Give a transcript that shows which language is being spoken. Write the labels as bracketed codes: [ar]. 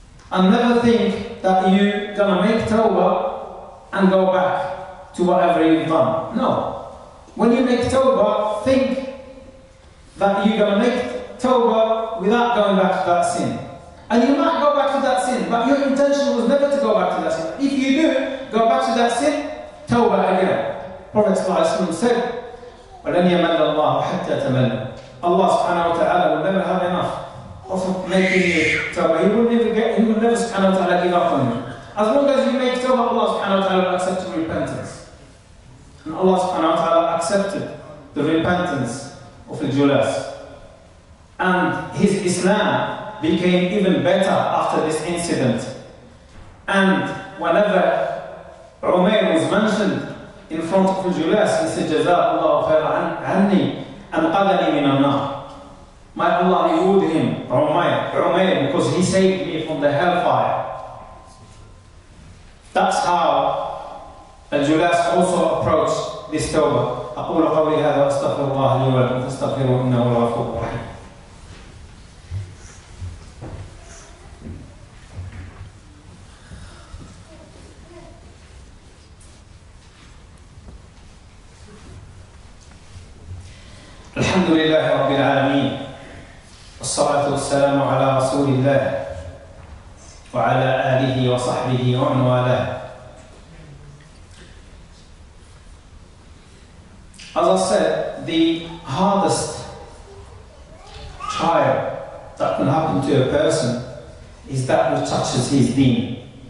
[en] And never think that you're gonna make tawbah and go back to whatever you've done. No. When you make tawbah, think that you're gonna make tawbah without going back to that sin. And you might go back to that sin, but your intention was never to go back to that sin. If you do go back to that sin, tawbah again. Prophet said, [ar] وَلَنْ يَمَلَّ اللَّهُ حَتَّى تَمَلَّ. [en] Allah subhanahu wa ta'ala will never have enough of making you tawbah. He will never subhanahu wa ta'ala give up on you. As long as you make tawbah, Allah subhanahu wa ta'ala will accept your repentance. And Allah subhanahu wa ta'ala accepted the repentance of Al-Julas. And his Islam became even better after this incident. And whenever Umayr was mentioned in front of Al-Julas, he said, [ar] Jazakallah khairan anni anqadhani min an-nar. [en] May Allah reward him, Umayr, because he saved me from the hellfire. That's how Al-Julas also approached this tawbah. [ar] أقول قولي هذا أستغفر الله لي ولكم فاستغفروا إنه هو الغفور الرحيم. الحمد لله رب العالمين والصلاة والسلام على رسول الله وعلى آله وصحبه ومن والاه. [en] As I said, the hardest trial that can happen to a person is that which touches his deen.